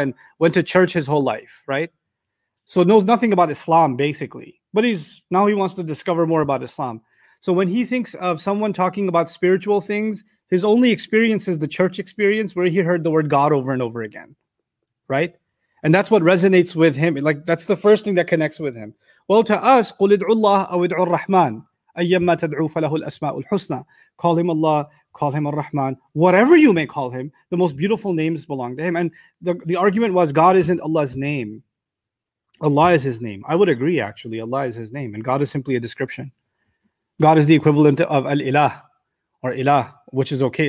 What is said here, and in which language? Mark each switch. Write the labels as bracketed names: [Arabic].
[English] And went to church his whole life, right? So knows nothing about Islam, basically. But he wants to discover more about Islam. So when he thinks of someone talking about spiritual things, his only experience is the church experience where he heard the word God over and over again, right? And that's what resonates with him. Like, that's the first thing that connects with him. Well, to us, [Arabic] قُلِ ادْعُوا اللَّهَ أَوِ ادْعُوا الرَّحْمَنَ أَيَّمَّا تَدْعُوا فَلَهُ الْأَسْمَاءُ الْحُسْنَى. [English] Call him Allah, call him Ar-Rahman. Whatever you may call him, the most beautiful names belong to him. And the argument was God isn't Allah's name. Allah is his name. I would agree, actually. Allah is his name. And God is simply a description. God is the equivalent of Al-Ilah or Ilah, which is okay.